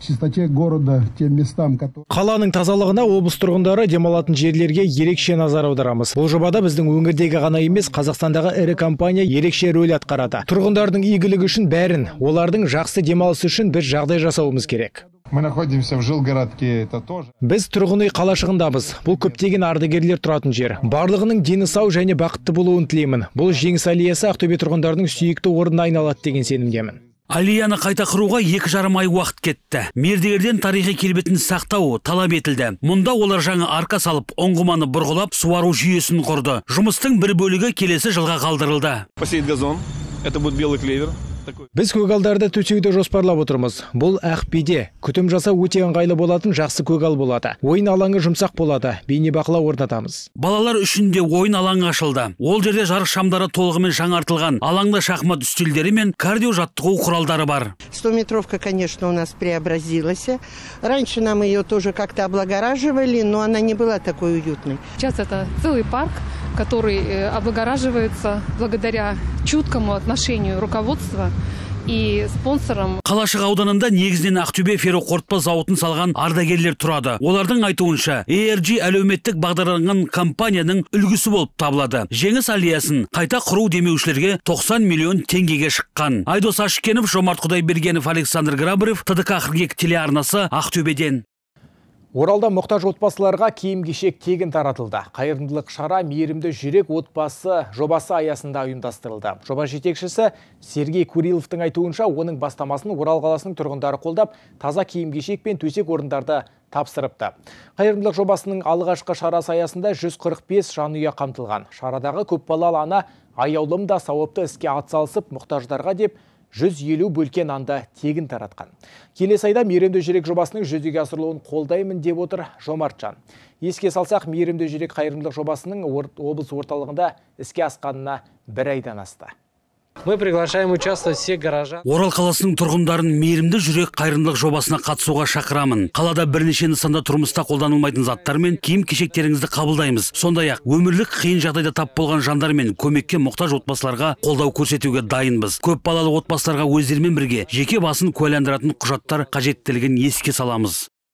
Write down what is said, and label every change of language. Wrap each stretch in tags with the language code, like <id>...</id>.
<kk>Қаланың тазалығына облыс тұрғындары демалатын жерлерге ерекше назар аударамыз. Бұл жобада біздің өңірдегі ғана емес, Қазақстандағы ірі компания ерекше рөл атқарады. Тұрғындардың игілігі үшін бәрін, олардың жақсы демалысы үшін біз жағдай жасауымыз керек.</kk> <ru>Мы находимся в Жилгородке, это тоже.</ru> <kk>Біз тұрғын үй қалашығындамыз. Бұл көптеген ардагерлер тұратын жер. Барлығының дені сау және бақытты болуын тілеймін. Бұл Жеңіс Алиясы Ақтөбе тұрғындарының сүйікті орнына айналады деген сенімдемін. Алияны қайта құруға 2,5 ай уақыт кетті. Мердігерден тарихи келбетін сақтау талап етілді. Мұнда олар жаңа арка салып, ұңғыманы бұрғылап, суару жүйесін құрды. Жұмыстың бір бөлігі келесі жылға қалдырылды.</kk> <ru>Посеет газон. Это будет белый клевер.</ru> <kk>Біз көгалдарды төсеуді жоспарлап отырмыз. Бұл ақпиде. Күтім жаса өте ыңғайлы болатын жақсы көгал болады. Ойын алаңы жұмсақ болады. Бейнебақылау орнатамыз. Балалар үшін де ойын алаңы ашылды. Ол жерде жарық шамдары толығымен жаңартылған. Алаңда шахмат үстелдері мен кардио жаттығу құралдары бар.</kk> <ru>100 метровка, конечно, у нас преобразилась. Раньше нам ее тоже как-то облагораживали, но она не была такой уютной. Сейчас это целый парк, который облагораживается благодаря чуткому отношению руководства.</ru> <kk>Қалашық ауданында негізден Ақтөбе ферроқорытпа зауытын салған ардагерлер тұрады. Олардың айтуынша, ERG әлеуметтік бағдарланған компанияның үлгісі болып табылады. Жеңіс Алиясын қайта құру демеушілерге 90 миллион теңгеге шыққан. Айдос Ашкенов, Жомарт Құдайбергенов, Александр Грабрев, ТДК 42 телеарнасы Ақтөбеден. Оралда мұқтаж отбасыларға киім-кешек тегін таратылды. Қайырымдылық шара мейірімді жүрек отбасы жобасы аясында ұйымдастырылды. Жоба жетекшісі Сергей Куриловтың айтуынша, оның бастамасын Орал қаласының тұрғындары қолдап, таза киім-кешек пен төсек орындарды тапсырыпты. Қайырымдылық жобасының алғашқы шарасы аясында 145 жанұя қамтылған. Шарадағы көпбалалы ана аяулым да сауапты іске атсалысып, мұқтаждарға деп 150 бөлке нанды тегін таратқан. Келесі айда мейірімді жүрек жобасының жүзеге асырылуын қолдаймын деп отыр Жомартжан. Еске салсақ, мейірімді жүрек қайырымдылық жобасының облыс орталығында іске асқанына бір айдан асты.</kk> <ru>Мы приглашаем участвовать все горожан.</ru> <kk>Орал қаласының тұрғындарын мейірімді жүрек қайырымдылық жобасына қатысуға шақырамын. Қалада бірнеше нысанда тұрмыста қолданылмайтын заттар мен киім-кешектеріңізді қабылдаймыз. Сондай-ақ, өмірлік қиын жағдайда тап болған жандар мен көмекке мұқтаж отбасыларға қолдау көрсетуге дайынбыз. Көпбалалы отбасыларға өздерімен бірге жеке басын куәландыратын құжаттар қажеттілігін еске саламыз.</kk>